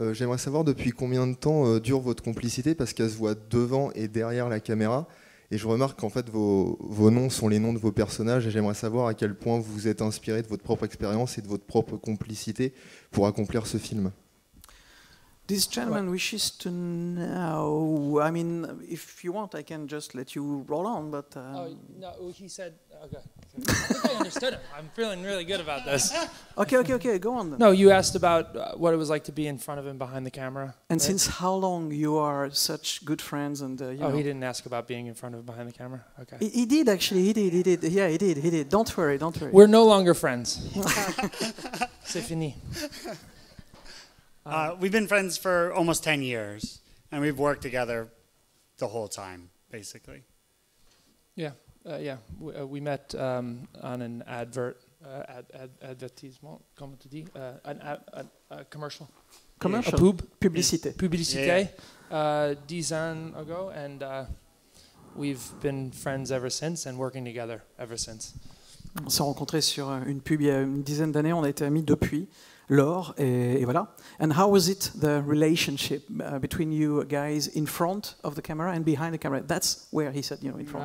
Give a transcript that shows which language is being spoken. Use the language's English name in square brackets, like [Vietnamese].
[French] J'aimerais savoir depuis combien de temps dure votre complicité, parce qu'elle se voit devant et derrière la caméra. Et je remarque qu'en fait, vos noms sont les noms de vos personnages. Et j'aimerais savoir à quel point vous vous êtes inspiré de votre propre expérience et de votre propre complicité pour accomplir ce film. [English] This gentleman wishes to know. I mean, if you want, I can just let you roll on. But He said, "Okay." I understood him. I'm feeling really good about this. Okay. Go on. Then. No, you asked about what it was like to be in front of him, behind the camera. And right? Since how long you are such good friends, and you know. He didn't ask about being in front of him, behind the camera. Okay. He did actually. He did. Yeah, he did. Don't worry. We're no longer friends. [French] C'est fini. [English] We've been friends for almost 10 years, and we've worked together the whole time, basically. We met on an advert, advertisement, [French] comment tu dis? [English] A commercial. Commercial? A pub. [French] Publicité. Publicité. Yeah. [English] 10 ans ago, and we've been friends ever since, and working together ever since. [French] On s'est rencontrés sur une pub il y a une dizaine d'années, on a été amis depuis. Laure, et voilà. [English] And how was it, the relationship between you guys in front of the camera and behind the camera? That's where he said, you know, in front.